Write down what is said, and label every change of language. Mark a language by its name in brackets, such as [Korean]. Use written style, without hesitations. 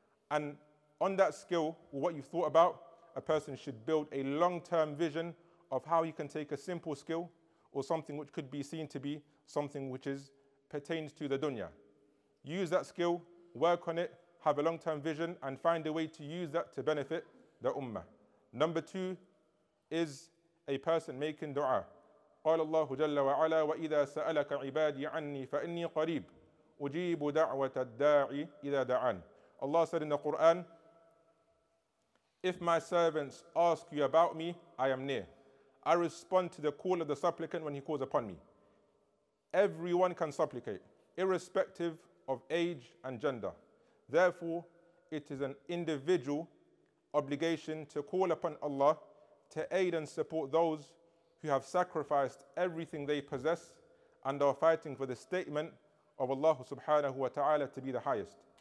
[English] And on that skill, what you've thought about, a person should build a long-term vision of how he can take a simple skill or something which could be seen to be something which is pertains to the dunya. Use that skill, work on it, have a long-term vision and find a way to use that to benefit the ummah. Number two is a person making dua. [Arabic] قال الله جل وعلا وإذا سألك عبادي عني فإني قريب أجيب دعوة الداعي إذا دعان. [English] Allah said in the Quran, if my servants ask you about me, I am near. I respond to the call of the supplicant when he calls upon me. Everyone can supplicate, irrespective of age and gender. Therefore, it is an individual obligation to call upon Allah to aid and support those who have sacrificed everything they possess and are fighting for the statement of Allah [Arabic] subhanahu wa ta'ala [English] to be the highest.